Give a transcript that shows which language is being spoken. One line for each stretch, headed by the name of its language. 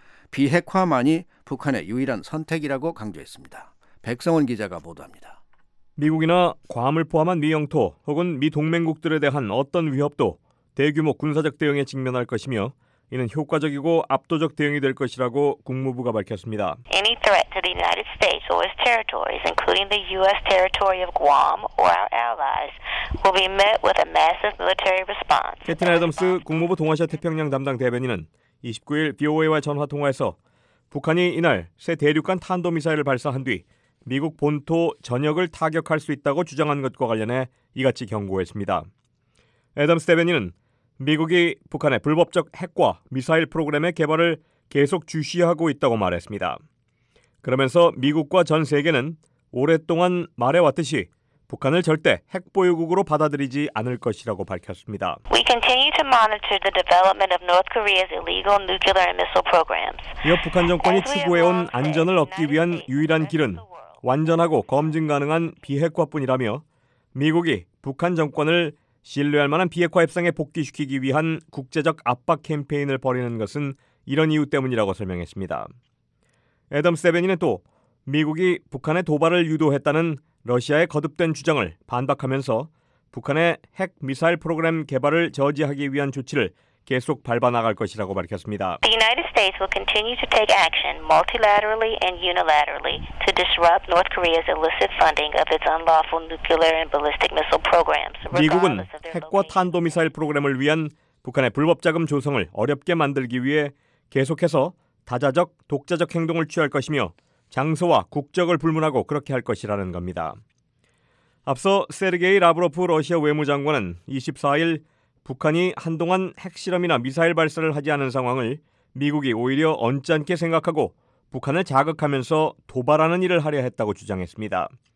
Korean: 비핵화만이 북한의 유일한 선택이라고 강조했습니다. 백성원 기자가 보도합니다. 미국이나 괌을 포함한 미 영토 혹은 미 동맹국들에 대한 어떤 위협도 대규모 군사적 대응에 직면할 것이며 이는 효과적이고 압도적 대응이 될 것이라고 국무부가 밝혔습니다.
English: Any threat to the United States or its territories, including the U.S. territory of Guam or our allies, will be met with a massive military response.
Korean: 캐티나 애덤스 국무부 동아시아 태평양 담당 대변인은 29일 BOA와 전화 통화에서 북한이 이날 새 대륙간 탄도미사일을 발사한 뒤 미국 본토 전역을 타격할 수 있다고 주장한 것과 관련해 이같이 경고했습니다. 애덤스 대변인은 미국이 북한의 불법적 핵과 미사일 프로그램의 개발을 계속 주시하고 있다고 말했습니다. 그러면서 미국과 전 세계는 오랫동안 말해왔듯이 북한을 절대 핵 보유국으로 받아들이지 않을 것이라고 밝혔습니다.
English: We continue to monitor the development of North Korea's illegal nuclear and missile programs.
Korean: 이어 북한 정권이 추구해온 안전을 얻기 위한 유일한 길은 완전하고 검증 가능한 비핵화뿐이라며 미국이 북한 정권을 신뢰할 만한 비핵화 협상에 복귀시키기 위한 국제적 압박 캠페인을 벌이는 것은 이런 이유 때문이라고 설명했습니다. 애덤 세베니는 또 미국이 북한의 도발을 유도했다는 러시아의 거듭된 주장을 반박하면서 북한의 핵 미사일 프로그램 개발을 저지하기 위한 조치를 계속 밟아 나갈 것이라고 밝혔습니다.
English: The United States will continue to take action multilaterally and unilaterally to disrupt North Korea's illicit funding of its unlawful nuclear and ballistic missile programs.
Korean: 미국은 핵과 탄도 미사일 프로그램을 위한 북한의 불법 자금 조성을 어렵게 만들기 위해 계속해서 다자적 독자적 행동을 취할 것이며 장소와 국적을 불문하고 그렇게 할 것이라는 겁니다. 앞서 세르게이 라브로프 러시아 외무장관은 24일 북한이 한동안 핵실험이나 미사일 발사를 하지 않은 상황을 미국이 오히려 언짢게 생각하고 북한을 자극하면서 도발하는 일을 하려 했다고 주장했습니다.